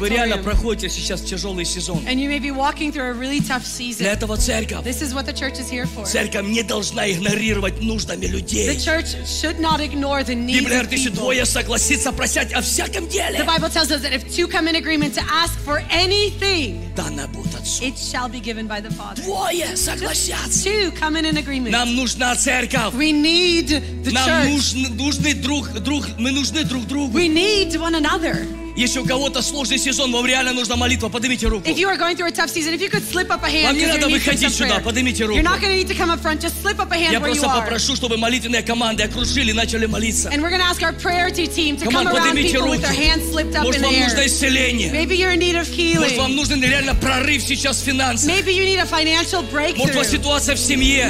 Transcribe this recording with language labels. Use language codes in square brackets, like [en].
[ru] вы реально проходите сейчас тяжелый сезон, [en] and you may be walking through a really tough season, [ru] для этого церковь, [en] this is what the church is here for. [ru] Церковь не должна игнорировать нуждами людей. [en] The church should not ignore the needs of people. [ru] Библия говорит, двое согласится просять о всяком деле. [en] The Bible tells us that if two come in agreement to ask for anything, [ru] дано будет Отцу. [en] It shall be given by the Father. [ru] Двое согласятся. [en] Two come in an agreement. [ru] Нам нужна церковь. [en] We need the church. [ru] Мы нужны друг другу. [en] We need one another. [ru] Если у кого-то сложный сезон, вам реально нужна молитва, поднимите руку. [en] If you are going through a tough season, if you could slip up a hand. [ru] Вам не надо выходить сюда, поднимите руку. [en] You're not going to need to come up front. Just slip up a hand where you are. [ru] Я просто попрошу, чтобы молитвенные команды окружили, начали молиться. [en] And we're going to ask our prayer team to come around people with their hands slipped up in the air. [ru] Может, вам нужно исцеление. [en] Maybe you're in need of healing. [ru] Может, вам нужен реально прорыв сейчас в финансах. [en] Maybe you need a financial breakthrough. [ru] Может, у вас ситуация в семье.